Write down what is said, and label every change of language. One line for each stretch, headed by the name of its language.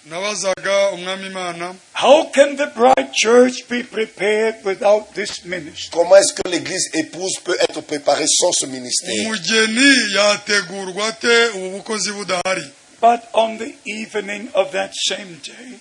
English: How can the bride church be prepared without this ministry?
French: Comment est-ce que l'église épouse peut être préparée sans ce ministère?
English: But on the evening of that same day,